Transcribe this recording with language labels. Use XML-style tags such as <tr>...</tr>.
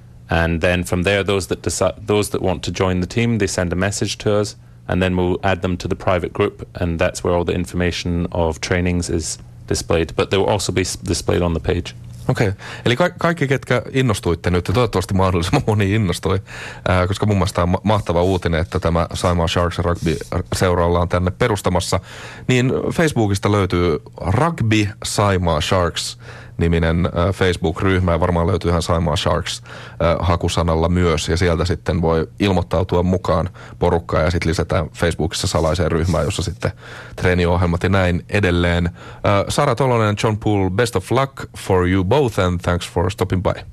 <en>And then from there, those that want to join the team, they send a message to us. And then we'll add them to the private group. And that's where all the information of trainings is displayed, but they will also be displayed on the page.</en> <fi>Okei.</fi> <en>Okay.</en> <fi>Eli kaikki, ketkä innostuitte nyt, ja toivottavasti mahdollisimman moni innostui, koska mun mielestä on mahtava uutinen, että tämä Saimaa Sharks Rugby seuraalla on tänne perustamassa, niin Facebookista löytyy Rugby Saimaa Sharks niminen Facebook-ryhmä, ja varmaan löytyy ihan Saimaa Sharks hakusanalla myös, ja sieltä sitten voi ilmoittautua mukaan porukkaan, ja sitten lisätään Facebookissa salaiseen ryhmään, jossa sitten treeniohjelmat ja näin edelleen.</fi> <en>Sara Tolonen, John Poole, best of luck for you both, and thanks for stopping by.</en>